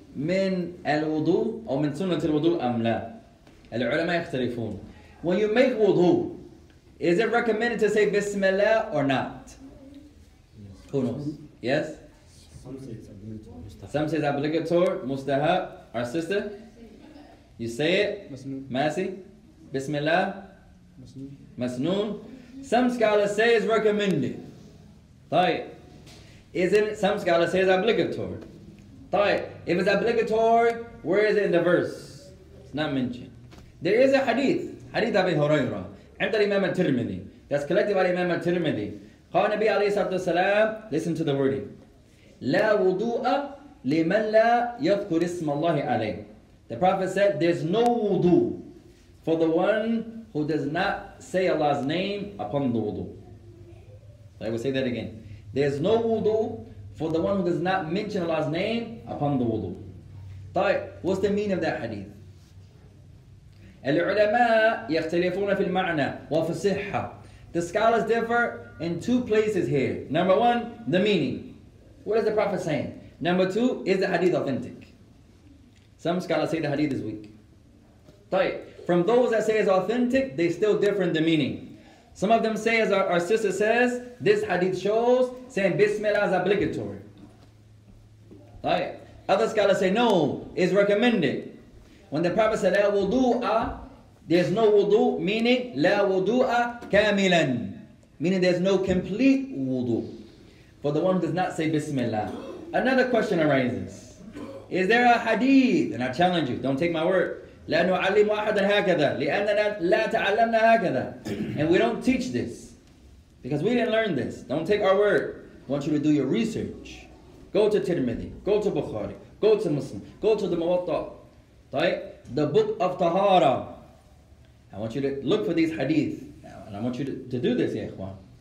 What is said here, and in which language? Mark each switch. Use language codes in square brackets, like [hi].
[ar] من الوضوء أو من سنة الوضوء أم لا العلماء يختلفون. [en] When you make wudu, is it recommended to say Bismillah or not? Yes. Who knows? Yes? Some say it's obligatory, mustahab. Some say it's obligatory, mustahab. Our sister? You say it? Masi? Bismillah? Masnoon? Some scholars say it's recommended. طيب. Is it, some scholars say it's obligatory. طيب, if it's obligatory, where is it in the verse? It's not mentioned. There is a hadith, hadith Abi Huraira, [ar] عند الإمام الترمذي. [en] That's collected by Imam al-Tirmidhi. [ar] قال النبي عليه الصلاة والسلام, [en] listen to the wording. [ar] لا وضوء لمن لا يذكر اسم الله عليه. [en] The Prophet said, there's no wudu for the one who does not say Allah's name upon the wudu. I will say that again. There's no wudu for the one who does not mention Allah's name upon the wudu. طيب, what's the meaning of that hadith? [ar] العلماء يختلفون في المعنى وفي الصحة. [en] The scholars differ in two places here. Number one, the meaning. What is the Prophet saying? Number two, is the hadith authentic? Some scholars say the hadith is weak. طيب, from those that say it's authentic, they still differ in the meaning. Some of them say, as our sister says, this hadith shows saying Bismillah is obligatory. طيب. Other scholars say, no, it's recommended. When the Prophet said, لا وضوء, there's no wudu, meaning [ar] لا وضوء كاملا, [en] meaning there's no complete wudu for the one who does not say Bismillah. Another question arises. Is there a hadith? And I challenge you, don't take my word. [ar] لا نعلم أحدا هكذا لأننا لا تعلمنا هكذا. [en] And we don't teach this because we didn't learn this. Don't take our word. I want you to do your research. Go to Tirmidhi, go to Bukhari, go to Muslim, go to the Muwatta, right? The book of Tahara. I want you to look for these hadith. And I want you to do this, ya ikhwan.